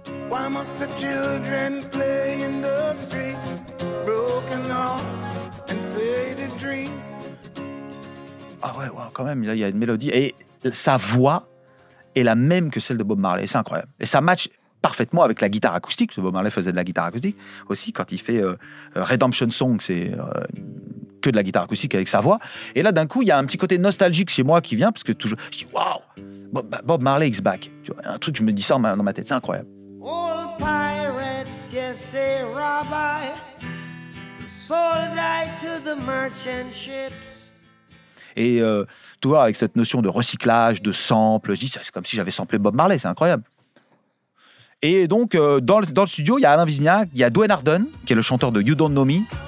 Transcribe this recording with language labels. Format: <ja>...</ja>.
<en>Why must the children play in the street? Broken hearts and faded dreams.</en> <fr>Ah ouais, ouais, quand même, là il y a une mélodie. Et sa voix est la même que celle de Bob Marley. C'est incroyable. Et ça match parfaitement avec la guitare acoustique. Bob Marley faisait de la guitare acoustique aussi quand il fait Redemption Song. C'est. Que de la guitare acoustique avec sa voix. Et là, d'un coup, il y a un petit côté nostalgique chez moi qui vient, parce que toujours, je dis, waouh,</fr> <en>Bob Marley is back.</en> <fr>Tu vois, un truc, je me dis ça dans ma tête, c'est incroyable.</fr> <en>Old pirates, yes, they rob I, sold I to the merchant ships.</en> <fr>Et tu vois, avec cette notion de recyclage, de sample, je dis, c'est comme si j'avais samplé Bob Marley, c'est incroyable. Et donc, dans le studio, il y a Alain Vizignac, il y a Dwayne Arden, qui est le chanteur de You Don't Know Me.</fr>